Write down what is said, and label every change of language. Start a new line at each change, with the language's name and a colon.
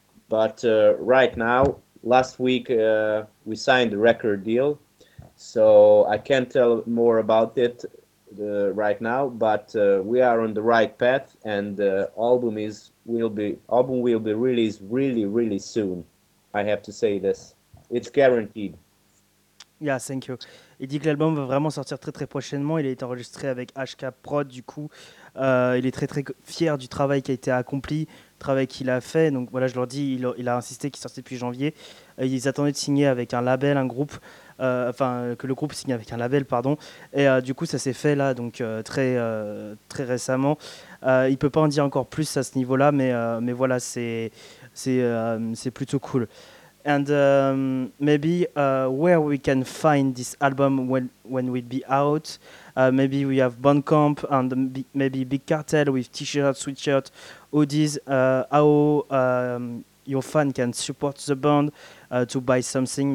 English: But right now, last week, we signed the record deal. So I can't tell more about it right now, but we are on the right path, and the album will be released really, really soon. I have to say this. It's guaranteed. Yeah, thank you.
French: Il dit que l'album va vraiment sortir très très prochainement. Il a été enregistré avec HK Prod, du coup. Il est très très fier du travail qui a été accompli, travail qu'il a fait. Donc voilà, je leur dis, il a insisté qu'il sortait depuis janvier. Ils attendaient de signer avec un label, un groupe, enfin que le groupe signe avec un label, pardon. Et du coup, ça s'est fait là, donc très récemment. Il peut pas en dire encore plus à ce niveau-là, mais voilà, c'est plutôt cool.
English: And maybe where we can find this album when we'll be out. Maybe we have Bandcamp and maybe Big Cartel with t-shirts, sweatshirts, hoodies. How your fan can support the band to buy something.